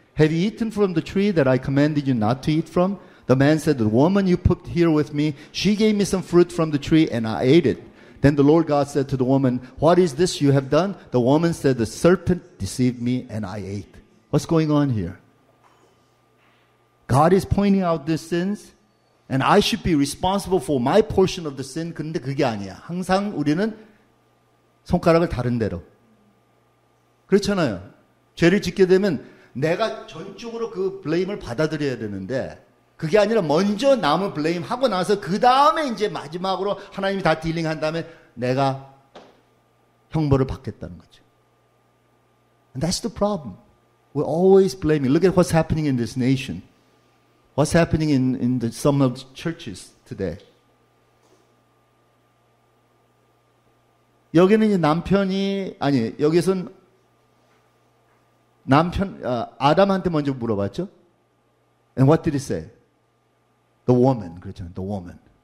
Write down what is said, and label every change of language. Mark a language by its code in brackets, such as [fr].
[en] Have you eaten from the tree that I commanded you not to eat from? The man said, the woman you put here with me, she gave me some fruit from the tree and I ate it. Then the Lord God said to the woman, what is this you have done? The woman said, the serpent deceived me and I ate. What's going on here? God is pointing out the sins and I should be responsible for my portion of the sin. [ko] 근데 그게 아니야. 항상 우리는 손가락을 다른 데로. 그렇잖아요. 죄를 짓게 되면 내가 전적으로 그 블레임을 받아들여야 되는데 그게 아니라 먼저 남을 블레임하고 나서 그 다음에 이제 마지막으로 하나님이 다 딜링한 다음에 내가 형벌을 받겠다는 거죠. [en] And that's the problem. We're always blaming. Look at what's happening in this nation. What's happening in the, some of the churches today. [ko] 여기는 이제 남편이 아니 여기선 남편 아담한테 먼저 물어봤죠. [en] And what did he say? The woman, [ko] 그렇죠? [en] The woman.